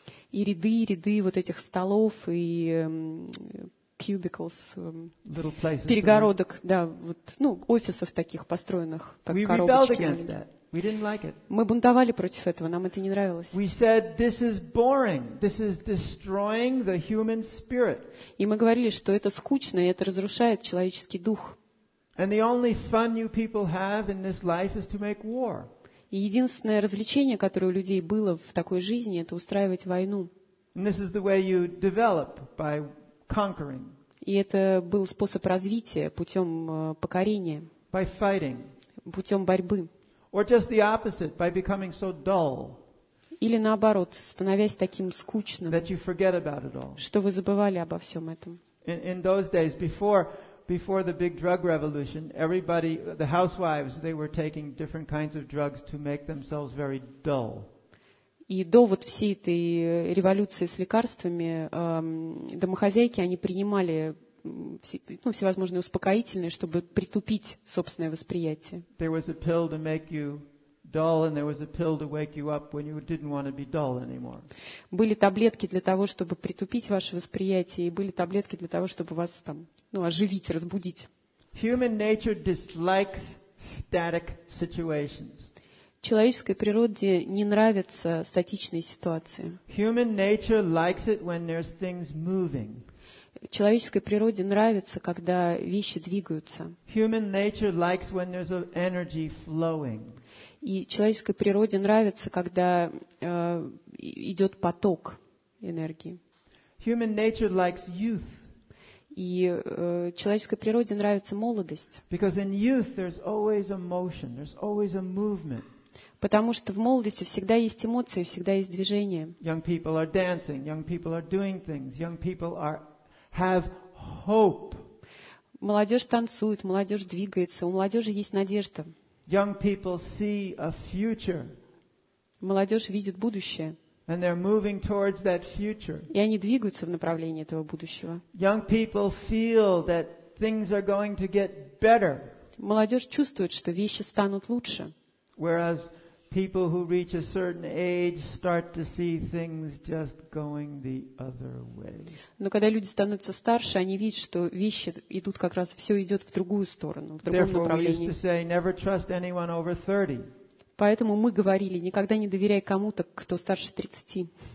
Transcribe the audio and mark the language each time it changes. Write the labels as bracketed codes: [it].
[ru] И ряды и ряды вот этих столов и cubicles, перегородок, да, вот, ну, офисов таких построенных, как коробочки. [en] We rebelled against that. We didn't like it. [ru] Мы бунтовали против этого, нам это не нравилось. [en] We said, this is boring. This is destroying the human spirit. [ru] И мы говорили, что это скучно, и это разрушает человеческий дух. [en] And the only fun you people have in this life is to make war. [ru] И единственное развлечение, которое у людей было в такой жизни, это устраивать войну. [en] And this is the way you develop by conquering. [ru] И это был способ развития путем покорения. [en] By fighting. [ru] Путем борьбы. [en] Or just the opposite, by becoming so dull. [ru] Или наоборот, становясь таким скучным. [en] That you forget about it all. [ru] Что вы забывали обо всем этом. [en] In those days, before the big drug revolution, everybody, the housewives, they were taking different kinds of drugs to make themselves very dull. [ru] И до вот всей этой революции с лекарствами домохозяйки, они принимали всевозможные успокоительные, чтобы притупить собственное восприятие. [en] There was a pill to make you dull, and there was a pill to wake you up when you didn't want to be dull anymore. [ru] Были таблетки для того, чтобы притупить ваше восприятие, и были таблетки для того, чтобы вас там, ну, оживить, разбудить. [en] Human nature dislikes static situations. [ru] Человеческой природе не нравятся статичные ситуации. [en] Human nature likes it when there's things moving. [ru] Человеческой природе нравится, когда вещи двигаются. [en] Human nature likes when there's energy flowing. [ru] И человеческой природе нравится, когда идет поток энергии. [en] Human nature likes youth. [ru] И человеческой природе нравится молодость. [en] Because in youth there's always a motion, there's always a movement. [ru] Потому что в молодости всегда есть эмоции, всегда есть движение. [en] Young people are dancing, young people are doing things, young people are have hope. [ru] Молодежь танцует, молодежь двигается, у молодежи есть надежда. [en] Young people see a future. [ru] Молодежь видит будущее. [en] And they're moving towards that future. [ru] И они двигаются в направлении этого будущего. [en] Young people feel that things are going to get better. [ru] Молодежь чувствует, что вещи станут лучше. [en] Whereas people who reach a certain age start to see things just going the other way. [ru] Но когда люди становятся старше, они видят, что вещи идут как раз, все идет в другую сторону, в другом [en] Therefore, [ru] направлении. [en] Therefore, we used to say, never trust anyone over 30. [ru] Поэтому мы говорили, никогда не доверяй кому-то, кто старше 30.